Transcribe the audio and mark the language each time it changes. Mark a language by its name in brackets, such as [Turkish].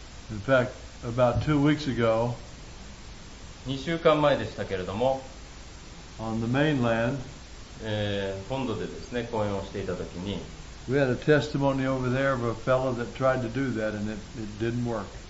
[English] In fact, about two weeks ago, [Japanese] 2週間前でしたけれども、 [English] on the mainland, [Japanese] 本土でですね、講演をしていたときに、 [English] We had a testimony over there of a fellow that tried to do that and it didn't work.